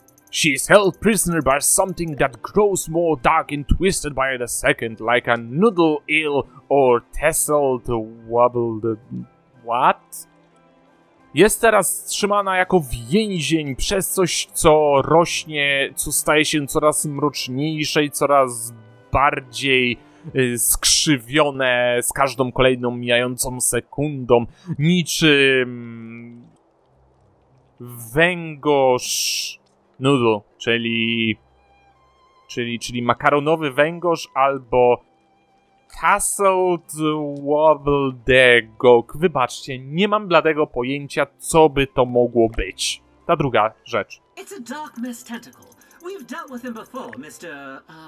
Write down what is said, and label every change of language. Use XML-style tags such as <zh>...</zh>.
<en>She's held prisoner by something that grows more dark and twisted by the second, like a noodle eel or tasseled wobbled... What?</en> <pl>Jest teraz trzymana jako więzień przez coś, co rośnie, co staje się coraz mroczniejsze i coraz bardziej skrzywione z każdą kolejną mijającą sekundą, niczym węgorz noodle, czyli makaronowy węgorz albo...</pl> <en>Tasseled Wobble Degok.</en> <pl>Wybaczcie, nie mam bladego pojęcia, co by to mogło być. Ta druga rzecz.</pl> <en>It's a dark mess tentacle. We've dealt with him before, Mr.</en>